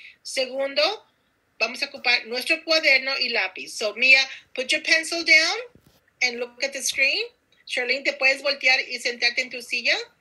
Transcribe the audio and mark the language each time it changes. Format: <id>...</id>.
<es>Segundo, vamos a ocupar nuestro cuaderno y lápiz.</es> <en>So, Mia, put your pencil down and look at the screen.</en> <es>Charlene, te puedes voltear y sentarte en tu silla.</es>